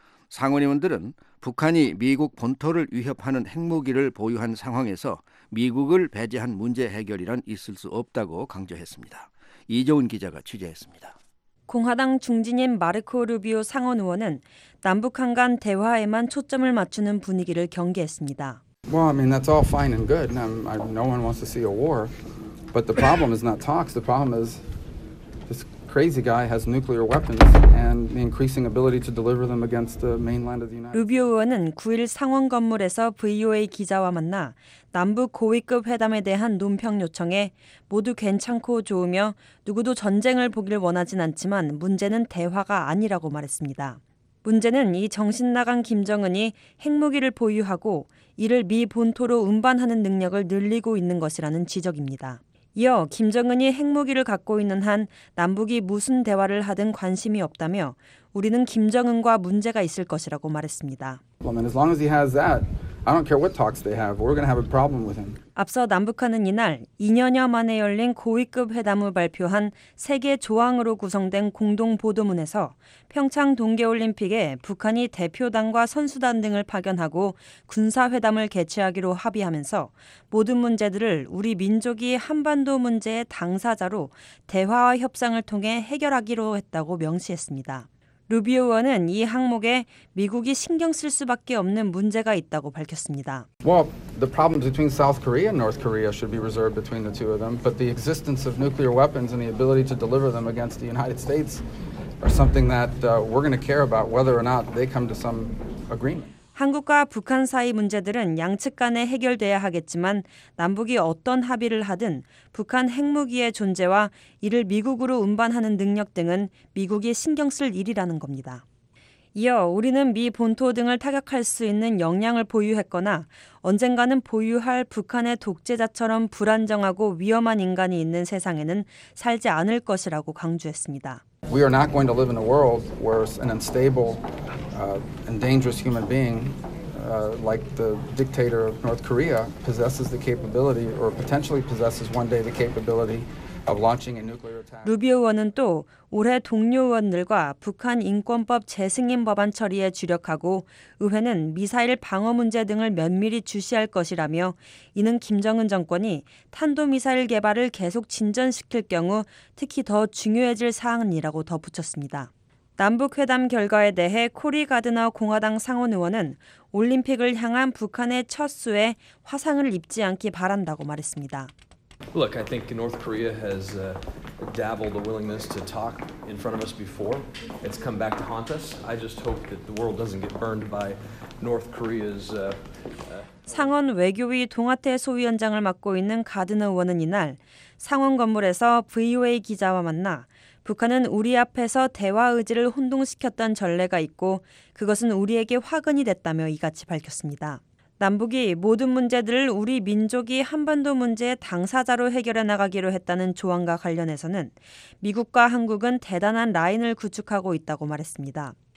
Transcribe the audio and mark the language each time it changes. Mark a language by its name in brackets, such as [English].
[Korean] 상원의원들은 북한이 미국 본토를 위협하는 핵무기를 보유한 상황에서 미국을 배제한 문제 해결이란 있을 수 없다고 강조했습니다. 이재훈 기자가 취재했습니다. 공화당 중진인 마르코 루비오 상원의원은 남북한 간 대화에만 초점을 맞추는 분위기를 경계했습니다. [English] Well, I mean that's all fine and good. And no one wants to see a war. But the problem is not talks. The problem is this crazy guy has nuclear weapons and the increasing ability to deliver them against the mainland of the United. [Korean] 루비오 의원은 9일 상원 건물에서 VOA 기자와 만나 남북 고위급 회담에 대한 논평 요청에 모두 괜찮고 좋으며 누구도 전쟁을 보길 원하진 않지만 문제는 대화가 아니라고 말했습니다. 문제는 이 정신 나간 김정은이 핵무기를 보유하고 이를 미 본토로 운반하는 능력을 늘리고 있는 것이라는 지적입니다. 이어 김정은이 핵무기를 갖고 있는 한 남북이 무슨 대화를 하든 관심이 없다며 우리는 김정은과 문제가 있을 것이라고 말했습니다. [English] Well, as long as he has that, I don't care what talks they have. We're going to have a problem with him. [Korean] 앞서 남북한은 이날 2년여 만에 열린 고위급 회담을 발표한 3개 조항으로 구성된 공동 보도문에서 평창 동계올림픽에 북한이 대표단과 선수단 등을 파견하고 군사회담을 개최하기로 합의하면서 모든 문제들을 우리 민족이 한반도 문제의 당사자로 대화와 협상을 통해 해결하기로 했다고 명시했습니다. 루비오 의원은 이 항목에 미국이 신경 쓸 수밖에 없는 문제가 있다고 밝혔습니다. [English] Well, the problems between South Korea and North Korea should be reserved between the two of them, but the existence of nuclear weapons and the ability to deliver them against the United States are something that we're going to care about whether or not they come to some agreement. [Korean] 한국과 북한 사이 문제들은 양측 간에 해결돼야 하겠지만 남북이 어떤 합의를 하든 북한 핵무기의 존재와 이를 미국으로 운반하는 능력 등은 미국이 신경 쓸 일이라는 겁니다. 이어 우리는 미 본토 등을 타격할 수 있는 역량을 보유했거나 언젠가는 보유할 북한의 독재자처럼 불안정하고 위험한 인간이 있는 세상에는 살지 않을 것이라고 강조했습니다. [English] We are not going to live in a world where an unstable and dangerous human being like the dictator of North Korea possesses the capability or potentially possesses one day the capability of launching a nuclear attack. [Korean] 루비오 의원은 또 올해 동료 의원들과 북한 인권법 재승인 법안 처리에 주력하고 의회는 미사일 방어 문제 등을 면밀히 주시할 것이라며 이는 김정은 정권이 탄도미사일 개발을 계속 진전시킬 경우 특히 더 중요해질 사항이라고 덧붙였습니다. 남북회담 결과에 대해 코리 가드너 공화당 상원 의원은 올림픽을 향한 북한의 첫 수에 화상을 입지 않기 바란다고 말했습니다. [English] Look, I think North Korea has dabbled a willingness to talk in front of us before. It's come back to haunt us. I just hope that the world doesn't get burned by North Korea's [Korean] 상원 외교위 동아태 소위원장을 맡고 있는 가드너 의원은 이날 상원 건물에서 VOA 기자와 만나 북한은 우리 앞에서 대화 의지를 혼동시켰던 전례가 있고 그것은 우리에게 화근이 됐다며 이같이 밝혔습니다. 남북이 모든 문제들을 우리 민족이 한반도 문제의 당사자로 해결해 나가기로 했다는 조항과 관련해서는 미국과 한국은 대단한 라인을 구축하고 있다고 말했습니다.